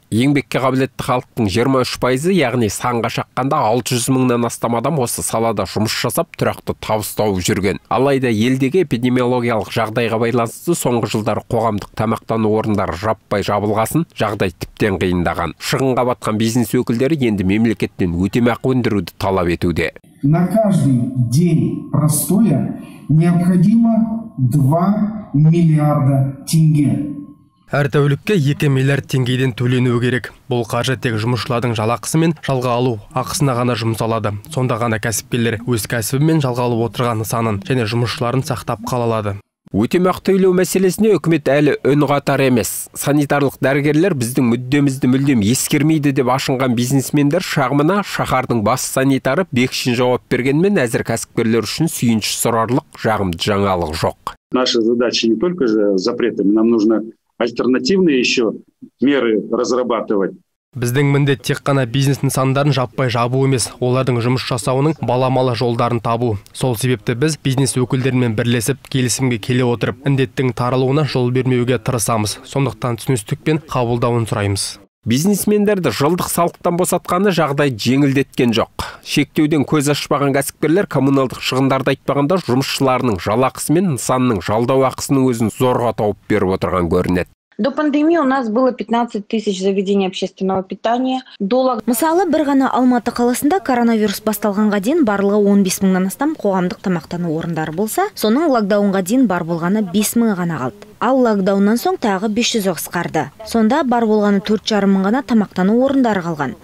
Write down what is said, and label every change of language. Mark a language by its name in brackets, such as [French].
[Kazakh] Еңбекке қабілетті халықтың 23%, яғни санға шаққанда 600 мыңнан астам адам осы салада жұмыс жасап, тұрақты табыс тауып жүрген. Алайда елдегі эпидемиологиялық жағдайға байланысты соңғы жылдары қоғамдық тамақтану орындары жаппай жабылғасын, жағдай тіптен қиындаған. Шығынға батқан бизнес өкілдері енді мемлекеттен өтемақы өндіруді талап етуде. [Russian] На каждый день простоя необходимо 2 миллиарда тенге. [Kazakh] Әр тәулікке 2 миллиард теңгейден төленуі керек. Бұл қаржы тек жұмысшылардың жалақысы мен жалға алу ақысына ғана жұмсалады. Сонда ғана кәсіпкерлер өз кәсібі мен жалға алып отырған нысанын және жұмысшыларын сақтап қала алады. Өтемақы төлеу мәселесіне үкімет әлі үн қатар емес. Санитарлық дәрігерлер біздің мүддемізді мүлдем ескермейді деп ашынған бизнесмендер шағымына шаһардың бас санитары Бекшин жауап бергенмен, әзір кәсіпкерлер үшін сүйінші сұрарлық жағымды жаңалық жоқ. [Russian] Наша задача не только же запретами, нам нужно альтернативные еще меры разрабатывать. [Kazakh] Біздің міндет тек қана бизнес нысандарын жаппай жабу емес, олардың жұмыс жасауының баламалы жолдарын табу. Сол себепті біз бизнес өкілдерімен бірлесіп, келісімге келе отырып, індеттің таралуына жол бермеуге тырысамыз. Сондықтан түсіністікпен қабылдауын сұраймыз. Бизнесмендерді жылдық салықтан босатқаны жағдай жеңілдеткен жоқ. Шектеуден көз ашпаған кәсіпкерлер коммуналдық шығындарды айтпағанда жұмысшыларының жалақысы мен нысанның жалдау ақысының өзін зорға тауып беріп отырған көрінеді. [Russian] До пандемии у нас было 15 тысяч заведений общественного питания. [Kazakh] Мысалы, бір ғана Алматы қаласында коронавирус басталғанға дейін барлығы 15 мыңнан астам қоғамдық тамақтану орындары болса, соның локдаунға дейін бар болғаны 5 мыңы ғана қалды. Ал локдауннан соң тағы 500 қысқарды. Сонда бар болғаны 4,5 мың ғана тамақтану орындары қалған.